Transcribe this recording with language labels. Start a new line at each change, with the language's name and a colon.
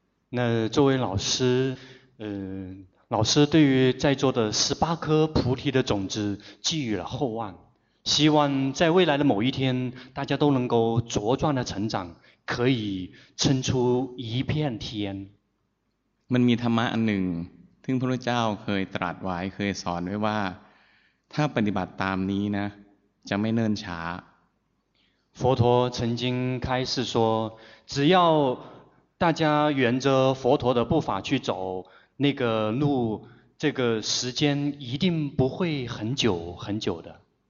Chinese: 那作为老师，老师对于在座的十八颗菩提的种子寄予了厚望，希望在未来的某一天，大家都能够茁壮的成长，可以撑出一片天。
Thai: มันมีธรรมะอันหนึ่งซึ่งพระพุทธเจ้าเคยตรัสไว้เคยสอนไว้ว่าถ้าปฏิบัติตามนี้นะจะไม่เนิ่นช้า
Chinese: 佛陀曾经开示说只要大家沿着佛陀的步伐去走那个路这个时间一定不会很久很久的